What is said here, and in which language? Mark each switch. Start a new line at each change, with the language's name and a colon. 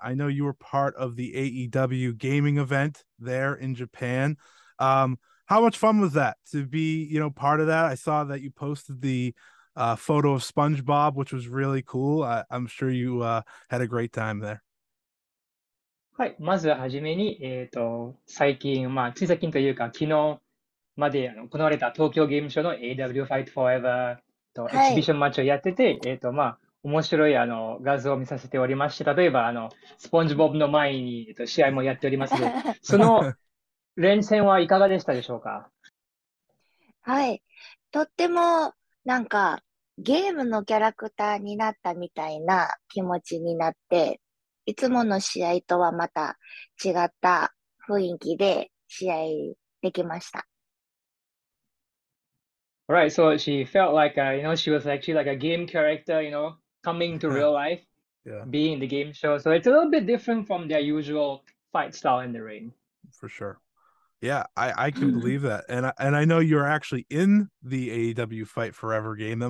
English: I know you were part of the AEW gaming event there in Japan. How much fun was that to be, you know, part of that? I saw that you posted the photo of SpongeBob, which was really cool. I'm sure you had a great time there.
Japanese: はい、まずはじめに、最近、まあ、つい最近というか、昨日まで行われた東京ゲームショーの AW Fight Forever とエキシビションマッチをやってて、はい、まあ、面白い画像を見させておりまして、例えばスポンジボブの前に、試合もやっておりますので、その連戦はいかがでしたでしょうか？はい、とっても、なんかゲームのキャラクターになったみたいな気持ちになって、いつもの試合とはまた違った雰囲気で試合できました。
English: Right, so she felt like, you know, she was actually like a game character, you know, coming to real life, being in the game show. So it's a little bit different from their usual fight style in the ring. For sure. Yeah, I can believe that. And I know you're actually in the AEW Fight Forever game.